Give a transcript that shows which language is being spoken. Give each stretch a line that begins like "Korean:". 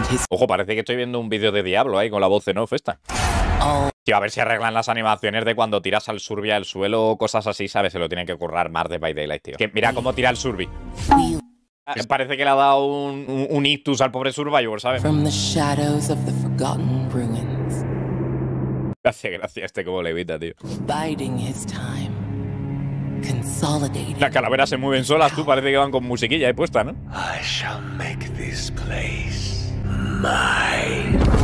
Spanish: Ojo, parece que estoy viendo un vídeo de Diablo ahí con la voz en off esta. Tío, a ver si arreglan las animaciones de cuando tiras al Surby al suelo o cosas así, ¿sabes? Se lo tienen que currar más de By Daylight, tío. Que mira cómo tira el Surby. Parece que le ha dado un ictus al pobre Survivor, ¿sabes?
English: From the shadows of the forgotten ruins.
Spanish: Gracias, este como levita, tío.
English: Biding his time. Consolidating.
Spanish: Las calaveras se mueven solas, tú. Parece que van con musiquilla ahí puesta, ¿no?
English: I shall make this place mine.